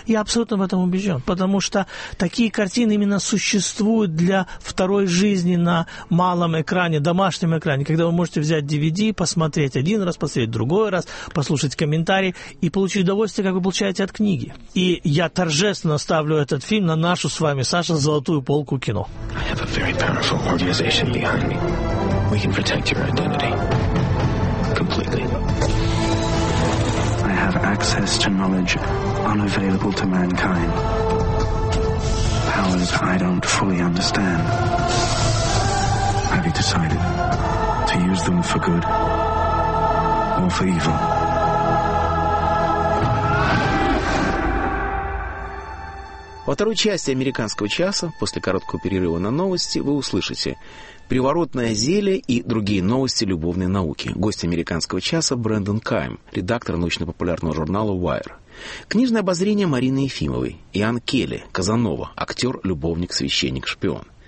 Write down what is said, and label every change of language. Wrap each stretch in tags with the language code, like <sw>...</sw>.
<ru>Я абсолютно в этом убежден. Потому что такие картины именно существуют для второй жизни на малом экране, домашнем экране. Когда вы можете взять DVD, посмотреть один раз, посмотреть другой раз, послушать комментарии и получить удовольствие, как вы получаете от книги. И я торжественно ставлю этот фильм на нашу с вами, Саша, золотую полку кино.</ru> <en>Organization behind me. We can protect your identity completely. I have access to knowledge unavailable to mankind. Powers I don't fully understand. Have you decided to use them for good or for evil?</en> <ru>Во второй части «Американского часа» после короткого перерыва на новости вы услышите «Приворотное зелье» и другие новости любовной науки. Гость «Американского часа» Брэндон Кайм, редактор научно-популярного журнала «Wire». Книжное обозрение Марины Ефимовой, Иоанн Келли, Казанова, актер, любовник, священник, шпион.</ru>